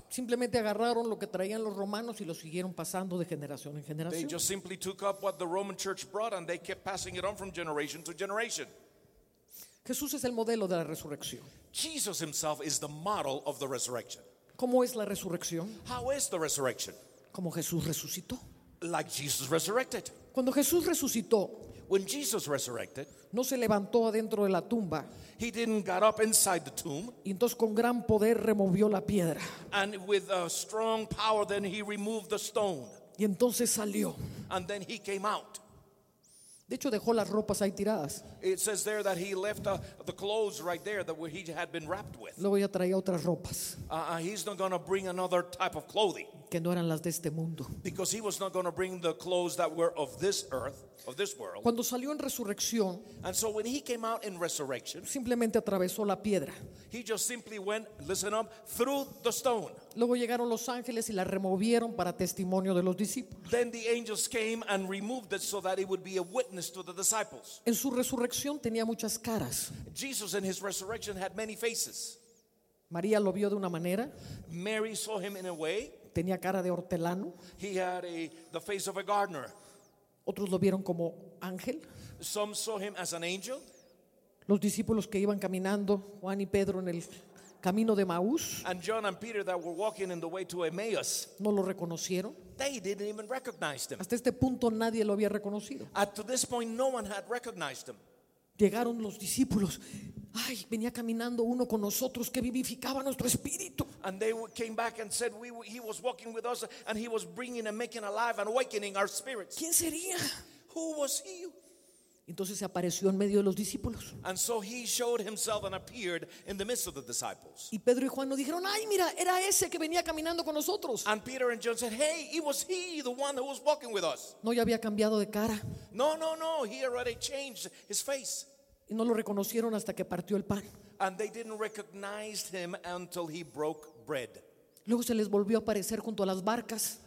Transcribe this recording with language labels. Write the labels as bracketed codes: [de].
[es] Simplemente agarraron lo que traían los romanos y lo siguieron pasando de generación en generación. [en] They just simply took up what the Roman church brought and they kept passing it on from generation to generation. [es] Jesús es el modelo de la resurrección. [en] Jesus himself is the model of the resurrection. [es] ¿Cómo es la resurrección? [en] How is the resurrection? [es] Como Jesús resucitó. [en] Like Jesus resurrected. [es] Cuando Jesús resucitó, [en] when Jesus resurrected, [es] no se levantó adentro de la tumba. [en] He didn't get up inside the tomb. [es] Y entonces con gran poder removió la piedra. [en] And with a strong power then he removed the stone. [es] Y entonces salió. [en] And then he came out. [es] De hecho dejó las ropas ahí tiradas. [en] It says there that he left the clothes right there that he had been wrapped with. [es] Luego ya traía otras ropas. [en] He's not going to bring another type of clothing. [es] Que no eran las de este mundo. [en] Because he was not going to bring the clothes that were of this earth. Of this world. [es] Cuando salió en resurrección, [en] and so when he came out in resurrection, [es] simplemente atravesó la piedra. [en] He just simply went, listen up, through the stone. [es] Luego llegaron los ángeles y la removieron para testimonio de los discípulos. [en] Then the angels came and removed it so that it would be a witness to the disciples. [es] En su resurrección tenía muchas caras. [en] Jesus in his resurrection had many faces. [es] María lo vio de una manera. [en] Mary saw him in a way. [es] Tenía cara de hortelano. [en] He had the face of a gardener. [es] Otros lo vieron como ángel. [en] Some saw him as an angel. [es] Los discípulos que iban caminando, Juan y Pedro en el camino de Emaús. [en] And John and Peter that were walking in the way to Emmaus. [es] No lo reconocieron. [en] They didn't even recognize him. [es] Hasta este punto nadie lo había reconocido. [en] Up to this point no one had recognized him. [es] Llegaron los discípulos. Ay, venía caminando uno con nosotros que vivificaba nuestro espíritu. [en] And they came back and said, he was walking with us and he was bringing and making alive and awakening our spirits. [es] ¿Quién sería? [en] Who was he? [es] Entonces se apareció en medio de los discípulos. [en] And so he showed himself and appeared in the midst of the disciples. [es] Y Pedro y Juan no dijeron, ay, mira, era ese que venía caminando con nosotros. [en] And Peter and John said, hey, it was he, the one who was walking with us. [es] No, ya había cambiado de cara. [en] No, he already changed his face. [es] Y no lo reconocieron hasta que partió el pan. [en] And they didn't recognize him until he broke bread. [es] Luego se les volvió a aparecer junto a las barcas.